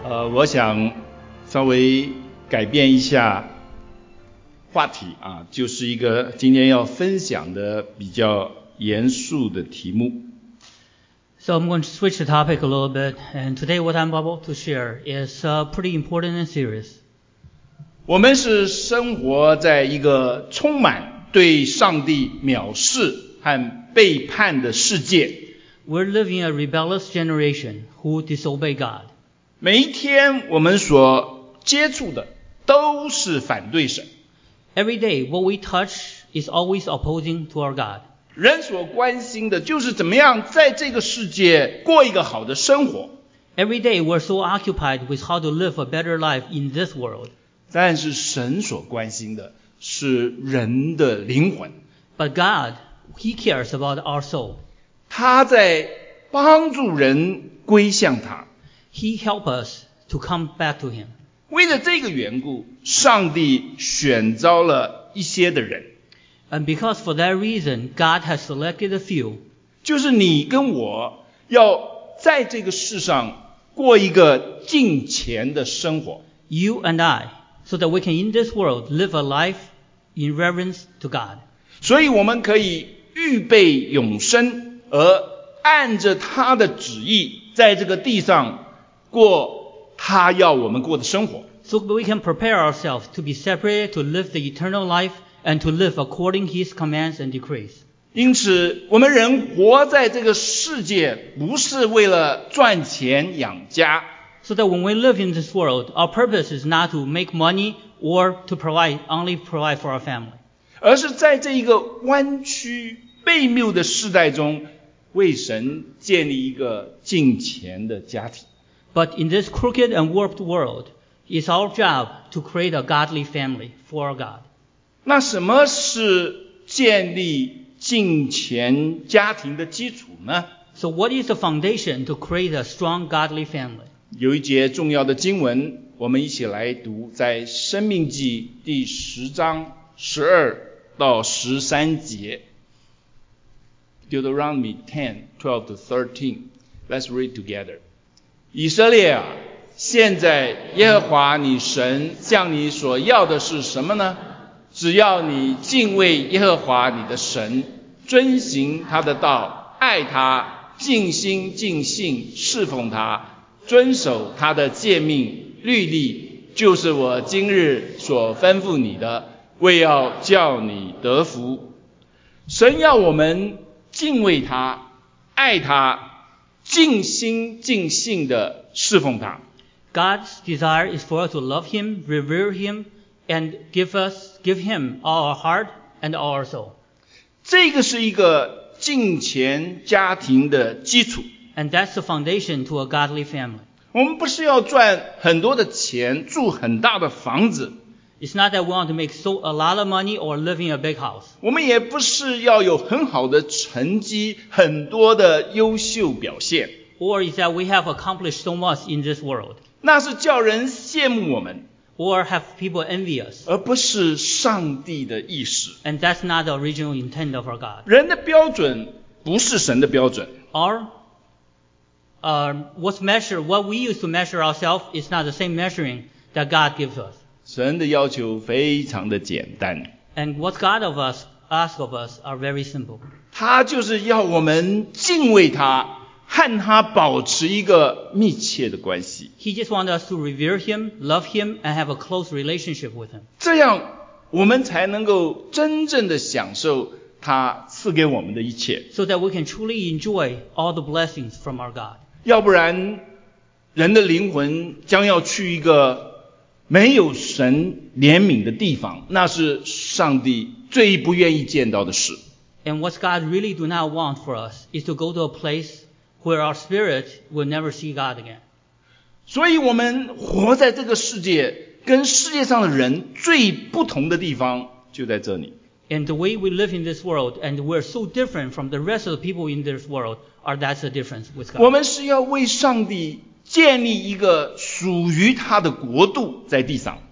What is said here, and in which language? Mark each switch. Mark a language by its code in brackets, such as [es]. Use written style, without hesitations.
[zh] 我想稍微改变一下话题啊，就是一个今天要分享的比较严肃的题目。 [en] So I'm going to switch the topic a little bit, and today what I'm about to share is pretty important and serious. [zh] 我们是生活在一个充满对上帝藐视和背叛的世界。 [en] We're living a rebellious generation who disobey God. [zh] 每一天我们所接触的都是反对神。 [en] Every day what we touch is always opposing to our God. [zh] 人所关心的就是怎么样在这个世界过一个好的生活。 [en] Every day we're so occupied with how to live a better life in this world. [zh] 但是神所关心的是人的灵魂。 [en] But God, He cares about our soul. [zh] 他在帮助人归向他。 [en] He helped us to come back to him. [zh] 为了这个缘故，上帝选召了一些的人。 [en] And because for that reason, God has selected a few. [zh] 就是你跟我要在这个世上过一个敬虔的生活。 [en] You and I, so that we can in this world live a life in reverence to God. [zh] 所以我们可以预备永生，而按着他的旨意在这个地上过他要我们过的生活。 [en] So we can prepare ourselves to be separated to live the eternal life and to live according his commands and decrees. [zh] 因此我们人活在这个世界不是为了赚钱养家。 [en] So that when we live in this world, our purpose is not to make money or to only provide for our family. [zh] 而是在这一个弯曲悖谬的世代中为神建立一个敬虔的家庭。 [en] But in this crooked and warped world, it's our job to create a godly family for our God. [zh] 那什么是建立敬虔家庭的基础呢？ [en] So what is the foundation to create a strong godly family? [zh] 有一节重要的经文，我们一起来读，在生命记第十章十二到十三节。 [en] Deuteronomy 10, 12 to 13. Let's read together. [zh] 以色列啊，现在耶和华你神向你所要的是什么呢？只要你敬畏耶和华你的神，遵行他的道，爱他，尽心尽性侍奉他，遵守他的诫命律例，就是我今日所吩咐你的，为要叫你得福。神要我们敬畏他，爱他，尽心尽性地侍奉他。 [en] God's desire is for us to love him, revere him, and give him all our heart and all our soul. [zh] 这个是一个敬虔家庭的基础。 [en] And that's the foundation to a godly family. [zh] 我们不是要赚很多的钱，住很大的房子。 [en] It's not that we want to make a lot of money or live in a big house. [zh] 我们也不是要有很好的成绩，很多的优秀表现。 [en] Or is that we have accomplished so much in this world. [zh] 那是叫人羡慕我们。 [en] Or have people envy us. [zh] 而不是上帝的意思。 [en] And that's not the original intent of our God. [zh] 人的标准不是神的标准。 [en] What we use to measure ourselves is not the same measuring that God gives us. [zh] 神的要求非常的简单。 [en] And what God of us asks of us are very simple. [zh] 他就是要我们敬畏他，和他保持一个密切的关系。 [en] He just wants us to revere him, love him, and have a close relationship with him. [zh] 这样我们才能够真正的享受他赐给我们的一切。 [en] So that we can truly enjoy all the blessings from our God. [zh] 要不然人的灵魂将要去一个没有神怜悯的地方，那是上帝最不愿意见到的事。 [en] And what God really do not want for us is to go to a place where our spirit will never see God again. [zh] 所以我们活在这个世界，跟世界上的人最不同的地方就在这里。 [en] And the way we live in this world, and we're so different from the rest of the people in this world, are that's the difference with God. [zh] 我们是要为上帝建立一个属于他的国度在地上。